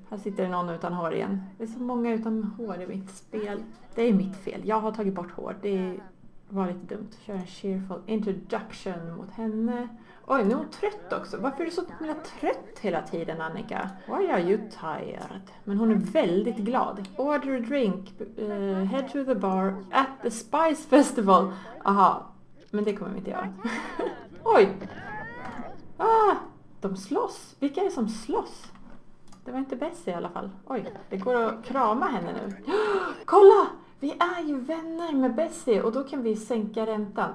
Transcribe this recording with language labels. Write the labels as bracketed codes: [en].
[sv] Här sitter det någon utan hår igen. Det är så många utan hår i mitt spel. Det är mitt fel. Jag har tagit bort hår. Det var lite dumt. Kör en cheerful introduction mot henne. Oj, nu är hon trött också. Varför är du så himla trött hela tiden, Annika? Why are you tired? Men hon är väldigt glad. Order a drink. [en] Head to the bar at the Spice Festival. [sv] Aha. Men det kommer vi inte göra. Oj! Ah, de slåss. Vilka är det som slåss? Det var inte Bessie i alla fall. Oj, det går att krama henne nu. Kolla! Vi är ju vänner med Bessie och då kan vi sänka räntan.